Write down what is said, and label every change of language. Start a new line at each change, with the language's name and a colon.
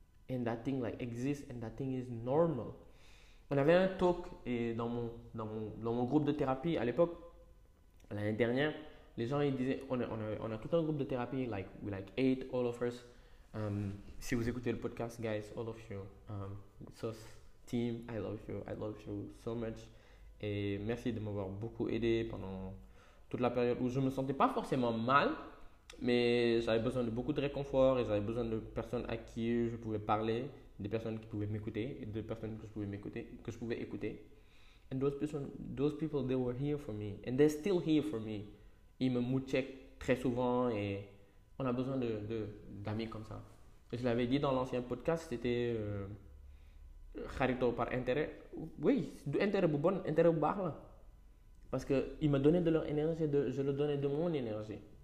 English: And that thing, like, exists and that thing is normal.
French: On avait un talk et dans mon groupe de thérapie à l'époque. L'année dernière, les gens ils disaient, on a tout un groupe de thérapie, like,
English: we like eight, all of us.
French: Si vous écoutez le podcast,
English: guys, all of you, sauce team, I love you so much.
French: Et merci de m'avoir beaucoup aidé pendant toute la période où je ne me sentais pas forcément mal, mais j'avais besoin de beaucoup de réconfort et j'avais besoin de personnes à qui je pouvais parler, des personnes qui pouvaient m'écouter et de personnes que je pouvais écouter.
English: And those people, they were here for me. And they're still here for me.
French: Ils me check très souvent et on a besoin d'amis comme ça. Et je l'avais dit dans l'ancien podcast, c'était Charito par intérêt. Oui, intérêt bon, intérêt bon. Parce qu'ils me donnaient de leur énergie, je leur donnais de mon énergie.